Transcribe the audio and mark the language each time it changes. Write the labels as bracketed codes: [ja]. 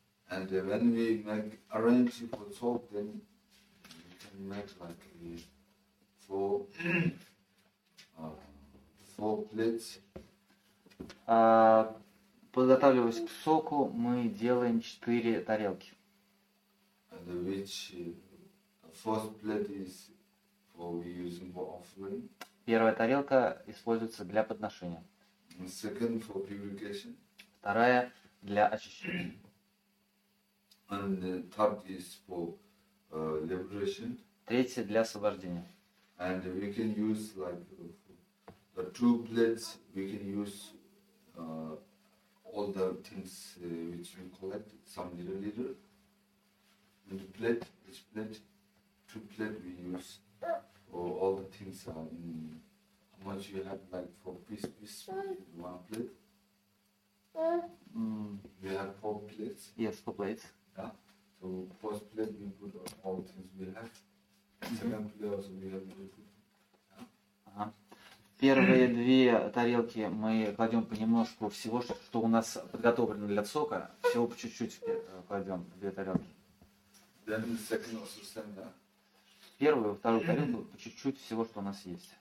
[en] And when we make arrangement for talk, then we can make like four plates. [ru] Подготавливаясь к соку, мы делаем четыре тарелки. [en] Which first plate is for using for offering. [ru] Первая тарелка используется для подношения. [en] And second for purification. [ru] Вторая для очищения. [en] And third is for liberation. [ru] Третья для освобождения. [en] And we can use like the two plates. We can use all the things which we collect, some little. And plate, two plate we use for all the things are in how much you have like for piece one plate. We have four plates. Yes, four plates. Yeah. So first plate we put all the things we have. Mm-hmm. Second plate also we have. Yeah. Uh-huh. [ru] Первые две тарелки мы кладем понемножку всего, что у нас подготовлено для сока. Всего по чуть-чуть кладем две тарелки. [en] Then the second also same, yeah? [ru] Первую, вторую тарелку, по чуть-чуть всего, что у нас есть.